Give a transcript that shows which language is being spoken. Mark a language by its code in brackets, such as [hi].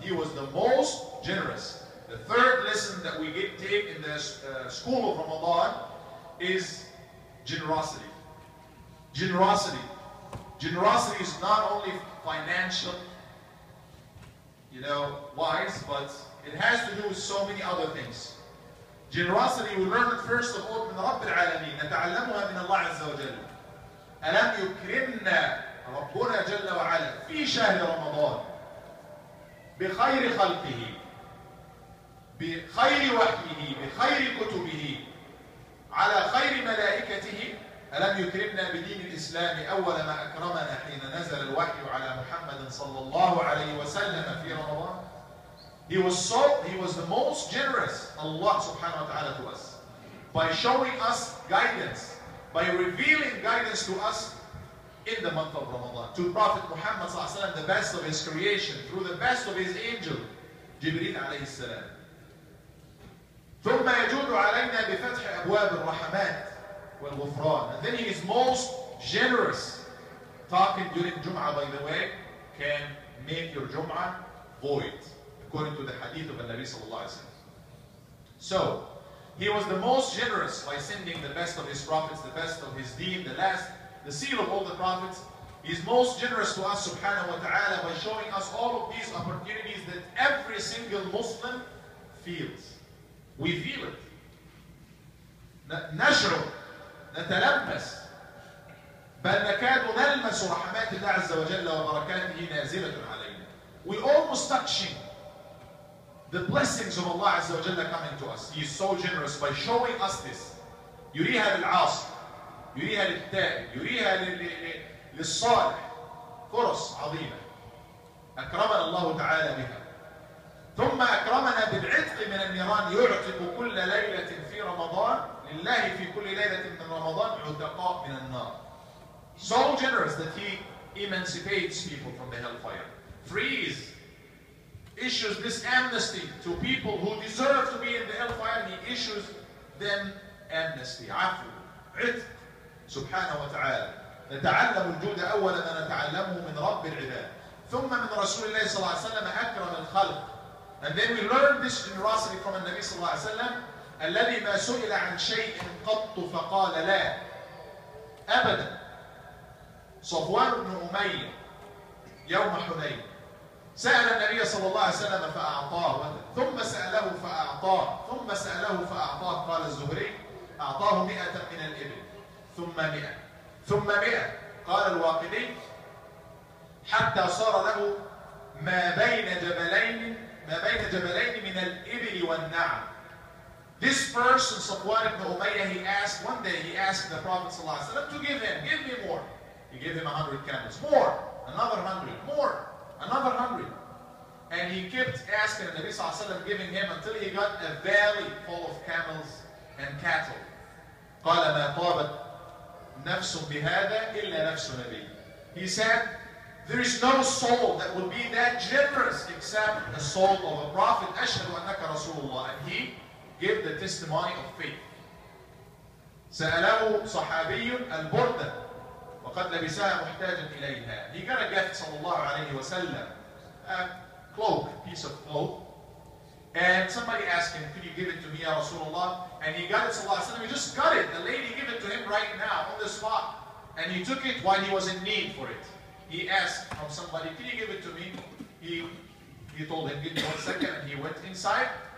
[en] He was the most generous. The third lesson that we get take in the school of Ramadan is generosity. Generosity. Generosity is not only financial, you know, wise, but it has to do with so many other things. Generosity, we learn it first of all [ar] من رب العالمين. نتعلمها من الله عز وجل. ألم يكرمنا ربنا جل وعلا في شهر رمضان بخير خلقه بخير وحيه بخير كتبه على خير ملائكته. ألم يكرمنا بدين الإسلام أول ما أكرمنا حين نزل الوحي على محمد صلى الله عليه وسلم في رمضان. [en] He was the most generous Allah subhanahu wa ta'ala to us by showing us guidance, by revealing guidance to us in the month of Ramadan. To Prophet Muhammad صلى الله عليه وسلم, the best of his creation, through the best of his angel, Jibreel عليه السلام. [ar] ثم يجود علينا بفتح أبواب الرحمات والغفران. [en] And then he is most generous. Talking during Jum'ah, by the way, can make your Jum'ah void, according to the hadith of Nabi صلى الله عليه وسلم. So, he was the most generous by sending the best of his prophets, the best of his deen, the last, the seal of all the prophets. He is most generous to us subhanahu wa ta'ala by showing us all of these opportunities that every single Muslim feels. We feel it. [ar] نشعر نتلمس بل نكاد نلمس رحمات الله عز وجل وبركاته نازلة علينا. [en] We almost touching the blessings of Allah عز وجل coming to us. He is so generous by showing us this. [ar] يريها للعاصي, يريها للتائب, يريها للصالح. فرص عظيمة أكرمنا الله تعالى بها. ثم أكرمنا بالعتق من النيران يعتق كل ليلة في رمضان لله في كل ليلة من رمضان عتقاء من النار. So generous that he emancipates people from the hellfire. Frees, issues this amnesty to people who deserve to be in the hellfire. He issues them amnesty. عفو عتق سبحانه وتعالى. نتعلم الجود أولا ما نتعلمه من رب العباد ثم من رسول الله صلى الله عليه وسلم أكرم الخلق. [en] And then we learn this generosity from النبي صلى الله عليه وسلم. [ar] الذي ما سئل عن شيء قط فقال لا أبدا. صفوان بن أمية يوم حنين سأل النبي صلى الله عليه وسلم فأعطاه, ثم سأله فأعطاه, ثم سأله فأعطاه. قال الزهري أعطاه 100 من الإبل ثم 100 ثم 100. قال الواقدي حتى صار له ما بين جبلين من الإبل والنعم. [en] This person, Safwan ibn Umayyah, he asked, one day he asked the Prophet sallallahu alaihi wasallam to give me more. He gave him 100 camels, more, another 100, more, another 100. And he kept asking the Nabi sallallahu alaihi wasallam giving him until he got a valley full of camels and cattle. [ar] قال ما طابت نفس بهذا إلا نفس نبي. [en] He said, there is no soul that would be that generous except the soul of a Prophet. [ar] أشهد أنك رسول الله. [en] And he give the testimony of faith. [ar] سأله صحابي البردة وقد لبسها محتاجا إليها. [en] He got a gift صلى الله عليه وسلم, a cloak, piece of cloak. And somebody asked him, could you give it to me [ar] يا رسول الله? [en] And he got it صلى الله عليه وسلم. He just got it. The lady gave it to him right now on the spot. And he took it while he was in need for it. He asked from somebody, could you give it to me? He told him, give me 1 second. And he went inside.